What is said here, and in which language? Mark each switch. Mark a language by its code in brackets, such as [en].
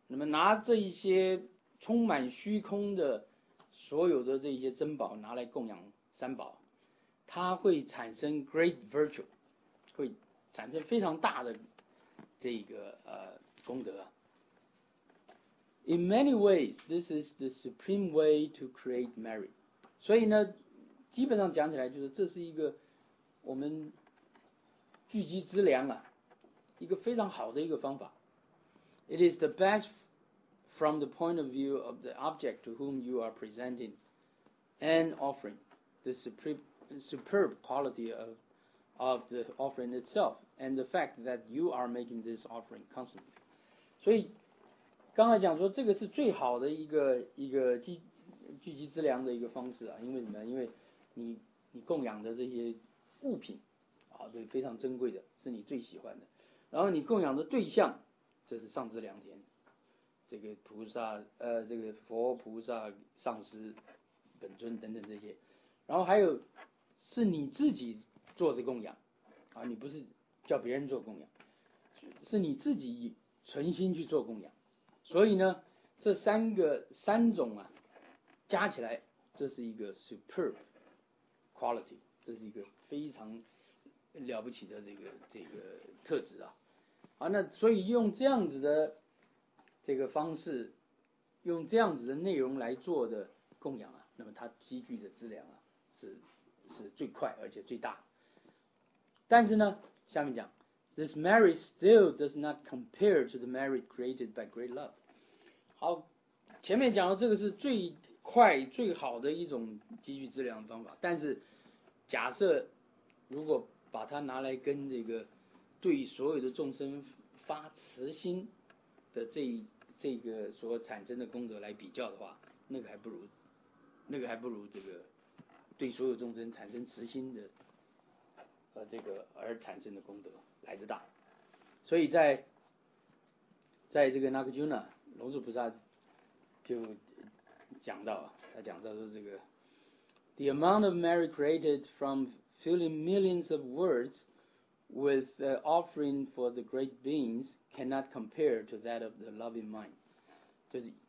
[zh] 那么拿这一些充满虚空的所有的这一些珍宝拿来供养三宝，它会产生 [en] Great Virtue， [zh] 会产生非常大的这个功德。 [en] In many ways, this is the supreme way to create merit. [zh] 所以呢，基本上讲起来就是这是一个我们聚集资粮啊，一个非常好的一个方法。 [en] It is the best from the point of view of the object to whom you are presenting and offering the superb quality of the offering itself and the fact that you are making this offering constantly. [zh] 所以刚才讲说这个是最好的一个聚集资粮的一个方式啊，因为什么？因为你供养的这些物品啊，对，非常珍贵的，是你最喜欢的。然后你供养的对象，这是上知良田，这个菩萨，这个佛菩萨、上师、本尊等等这些。然后还有是你自己做的供养啊，你不是叫别人做供养，是你自己存心去做供养。所以呢，这三种啊。加起来，这是一个 [en] superb quality， [zh] 这是一个非常了不起的这个特质啊！啊，那所以用这样子的这个方式，用这样子的内容来做的供养啊，那么它积聚的资粮啊，是最快而且最大。但是呢，下面讲 [en] ，this merit still does not compare to the merit created by great love。 [zh] 好，前面讲的这个是最快最好的一种积聚资粮的方法，但是假设如果把它拿来跟这个对所有的众生发慈心的这个所产生的功德来比较的话，那个还不如这个对所有众生产生慈心的这个而产生的功德来得大。所以在这个 Nagarjuna 龙树菩萨就讲到，他讲到说这个 [en] The amount of merit created from filling millions of words with the offering for the great beings cannot compare to that of the loving mind.